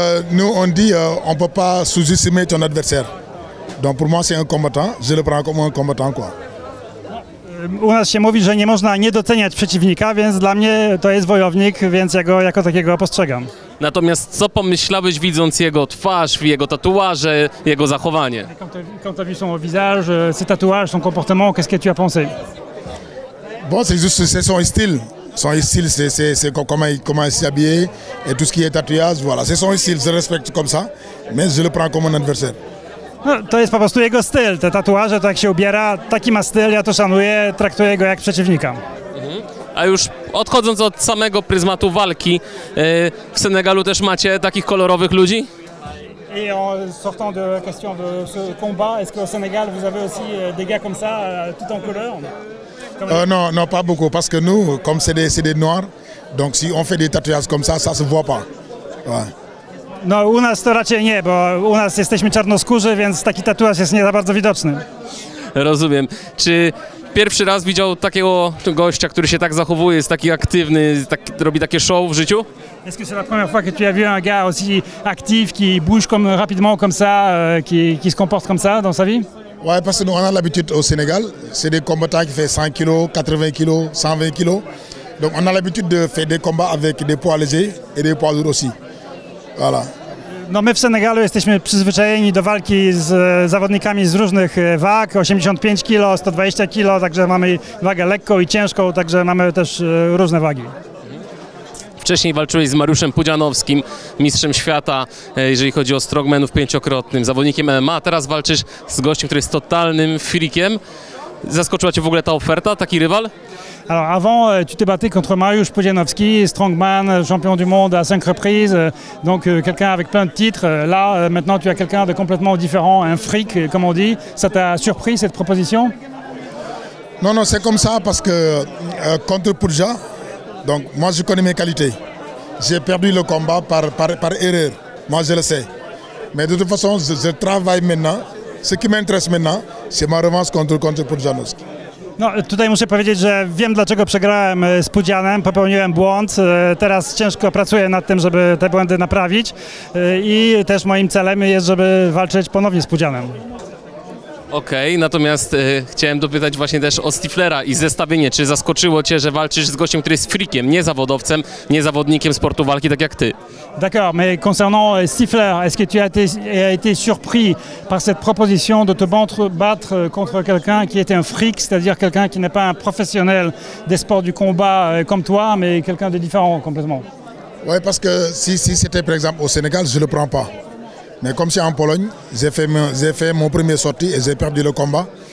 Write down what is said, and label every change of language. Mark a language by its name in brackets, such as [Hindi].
[French] No, on dit on peut pas sous-estimer ton adversaire. Donc pour moi c'est un combattant, je le prends comme un combattant quoi. [Polish] U nas się mówi, że nie można niedoceniać przeciwnika, więc dla mnie to jest wojownik, więc ja go jako takiego postrzegam. Natomiast co pomyślałeś widząc jego twarz, jego tatuaże, jego zachowanie? [French] Quand tu as vu son visage, ses tatouages, son comportement, qu'est-ce que tu as pensé? Bon, c'est juste c'est son style. Son style, c'est comment il s'habille et tout ce qui est tatouage, voilà, c'est son style, je respecte comme ça, mais je le prends comme un adversaire. [Polish] No, to jest po prostu jego styl, te tatuaże, to jak się ubiera, taki ma styl, ja to szanuję, traktuję go jak przeciwnika. A już odchodząc od samego pryzmatu walki, w Senegalu też macie takich kolorowych ludzi? [French] I en sortant de la question de ce combat, est-ce que au Sénégal vous avez aussi des gars comme ça, tout en couleur? Non, non, pas beaucoup, parce que nous, comme c'est des noirs, donc si on fait des tatouages comme ça, ça se voit pas. Ouais. [Polish] No, u nas to raczej nie, bo u nas jesteśmy czarnoskórzy, więc taki tatuaż jest nie za bardzo widoczny. Rozumiem. Czy pierwszy raz widział takiego gościa, który się tak zachowuje, jest taki aktywny, tak, robi takie show w życiu? [French] Est-ce que c'est la première fois que tu as vu un gars aussi actif, qui bouge comme rapidement comme ça, qui se comporte comme ça dans sa vie? Ouais, parce que nous on a l'habitude au Sénégal, c'est des combattants qui font 100 kg, 80 kg, 120 kg. Donc on a l'habitude de faire des combats avec des poids légers et des poids lourds aussi. Voilà. [Polish] No my w Senegalu jesteśmy przyzwyczajeni do walki z zawodnikami z różnych wag, 85 kg, 120 kg, także mamy wagę lekką i ciężką, także mamy też różne wagi. Wcześniej walczyłeś z Mariuszem Pudzianowskim, mistrzem świata, jeżeli chodzi o strongmanów pięciokrotnym, zawodnikiem MMA, teraz walczysz z gościem, który jest totalnym freakiem. Zaskoczyła cię w ogóle ta oferta, taki rywal? [French] Alors avant, tu t'es battu contre Mariusz Pudzianowski, strongman, champion du monde à 5 reprises, donc quelqu'un avec plein de titres. Là, maintenant, tu as quelqu'un de complètement différent, un fric, comme on dit. Ça t'a surpris, cette proposition? Non, non, c'est comme ça, parce que contre Pudja, donc moi, je connais mes qualités. J'ai perdu le combat par erreur, moi, je le sais. Mais de toute façon, je travaille maintenant. Ce qui m'intéresse maintenant, c'est ma revanche contre Pudzianowski. [Polish] No, tutaj muszę powiedzieć, że wiem, dlaczego przegrałem z Pudzianem, popełniłem błąd. Teraz ciężko pracuję nad tym, żeby te błędy naprawić. I też moim celem jest, żeby walczyć ponownie z Pudzianem. Okej, okay, natomiast chciałem dopytać właśnie też o Stiflera i zestawienie. Czy zaskoczyło cię, że walczysz z gościem, który jest freakiem, nie zawodowcem, nie zawodnikiem sportu walki, tak jak ty? [French] D'accord, mais concernant Stifler, est-ce que tu as été surpris par cette proposition de te battre contre quelqu'un qui était un freak, c'est-à-dire quelqu'un qui n'est pas un professionnel des sports du combat comme toi, mais quelqu'un de différent complètement? Ouais, parce que si c'était par exemple au Sénégal, je le prends pas. Mais comme c'est en Pologne, j'ai fait mon premier sortie et j'ai perdu le combat.